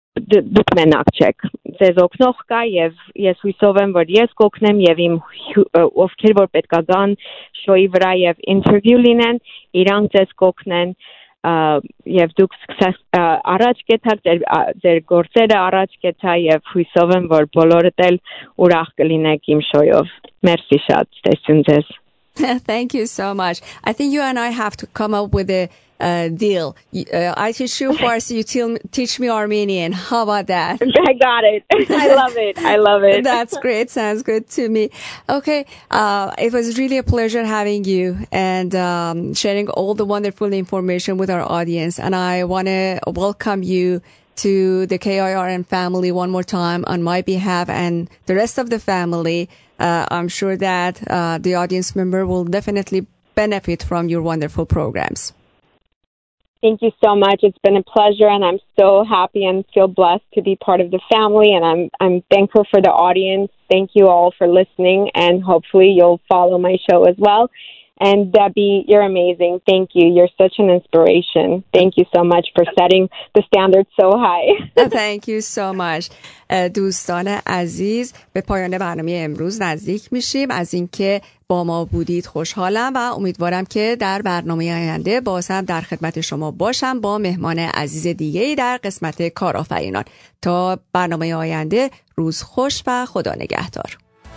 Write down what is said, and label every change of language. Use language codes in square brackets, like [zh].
[hy] դուք մենակ չեք, ձեզ օգնող կա, եւ ես հույսով եմ, որ ես կօգնեմ, եւ իմ ովքեր որ պետք է գան շոուի վրա եւ ինտերվյու լինեն, իրանք ձեզ կօգնեն, եւ դուք սկսեք առաջ գետա, ձեր գործերը առաջ գետա, եւ հույսով եմ, որ բոլորդ էլ ուրախ կլինեք իմ շոյով։ Մերսի շատ, տեսնում ձեզ։ [en] Thank you so much. I think you and I have to come up with a deal. I teach you Farsi, you teach me Armenian. How about that? I got it. I love it. I love it. That's great. Sounds good to me. Okay. It was really a pleasure having you and sharing all the wonderful information with our audience. And I want to welcome you to the KIRN family one more time on my behalf and the rest of the family. I'm sure that the audience member will definitely benefit from your wonderful programs. Thank you so much. It's been a pleasure, and I'm so happy and feel blessed to be part of the family, and I'm thankful for the audience. Thank you all for listening, and hopefully you'll follow my show as well. And Debbie, you're amazing. Thank you. You're such an inspiration. Thank you so much for setting the standard so high. Thank you so much. [fa] دوستان عزیز، به پایان برنامه امروز نزدیک میشیم. از اینکه با ما بودید خوشحالم و امیدوارم که در برنامه آینده باز هم در خدمت شما باشم با مهمان عزیز دیگه‌ای در قسمت کارآفرینان. تا برنامه آینده، روز خوش و خدا نگهدار.